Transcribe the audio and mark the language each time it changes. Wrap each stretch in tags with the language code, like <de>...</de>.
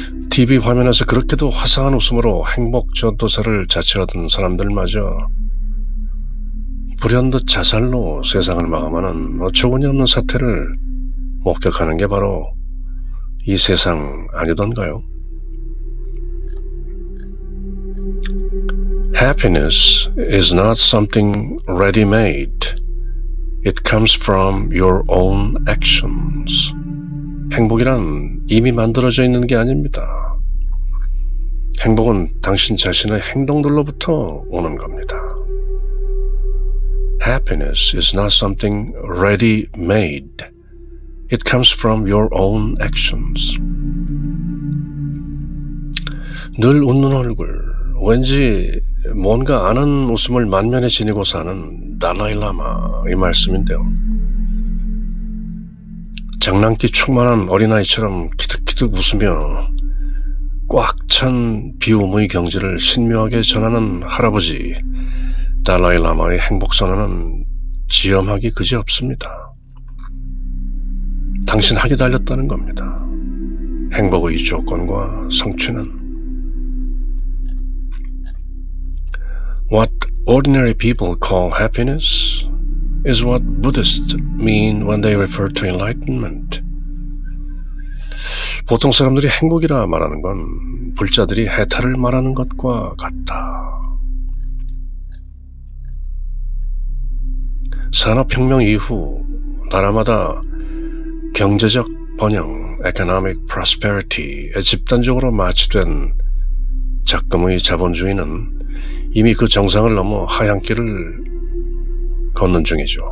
<ko>TV 화면에서 그렇게도 화사한 웃음으로 행복 전도사를 자처하던 사람들마저 불현듯 자살로 세상을 마감하는 어처구니 없는 사태를 목격하는 게 바로 이 세상 아니던가요?</ko> <en>Happiness is not something ready-made. It comes from your own actions.</en> <ko>행복이란 이미 만들어져 있는 게 아닙니다. 행복은 당신 자신의 행동들로부터 오는 겁니다.</ko> <en>Happiness is not something ready-made. It comes from your own actions.</en> <ko>늘 웃는 얼굴, 왠지 뭔가 아는 웃음을 만면에 지니고 사는 달라이라마 이 말씀인데요. 장난기 충만한 어린아이처럼 키득키득 웃으며 꽉 찬 비움의 경지를 신묘하게 전하는 할아버지 달라이라마의 행복선언은 지엄하기 그지없습니다. 당신 하게 달렸다는 겁니다. 행복의 조건과 성취는</ko> <en>What ordinary people call happiness is what Buddhists mean when they refer to enlightenment.</en> <ko>보통 사람들이 행복이라 말하는 건 불자들이 해탈을 말하는 것과 같다. 산업혁명 이후 나라마다 경제적 번영,</ko> <en>economic prosperity</en> <ko>에 집단적으로 마취된 작금의 자본주의는 이미 그 정상을 넘어 하향길을 걷는 중이죠.</ko>